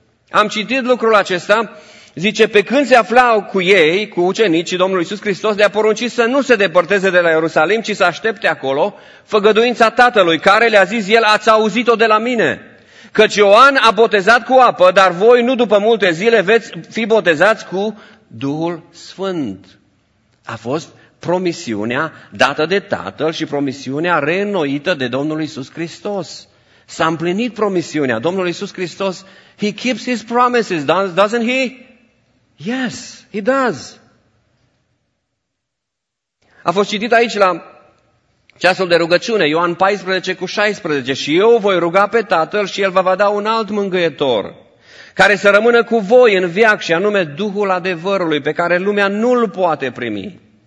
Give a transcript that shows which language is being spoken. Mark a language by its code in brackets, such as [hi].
[ro] Am citit lucrul acesta, zice, pe când se aflau cu ei, cu ucenicii Domnului Iisus Hristos, le-a poruncit să nu se depărteze de la Ierusalim, ci să aștepte acolo făgăduința Tatălui, care le-a zis el, ați auzit-o de la mine, căci Ioan a botezat cu apă, dar voi nu după multe zile veți fi botezați cu Duhul Sfânt. A fost promisiunea dată de Tatăl și promisiunea reînnoită de Domnul Iisus Hristos. S-a împlinit promisiunea. [en] Domnul Iisus Hristos, He keeps His promises, doesn't He? Yes, He does. [ro] A fost citit aici la ceasul de rugăciune, Ioan 14:16, și eu voi ruga pe Tatăl și El vă va da un alt mângâietor, care să rămână cu voi în veac, și anume Duhul adevărului, pe care lumea nu-L poate primi.